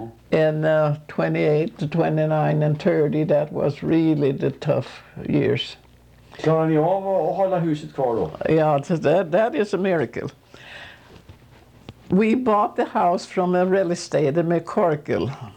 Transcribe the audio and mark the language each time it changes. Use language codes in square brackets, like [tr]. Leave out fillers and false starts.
[en] And 28 to 29 and 30, that was really the tough years. [sv] Klarade ni av att hålla huset kvar då? [en] Yeah, that is a miracle. We bought the house from a real estate in McCorkle.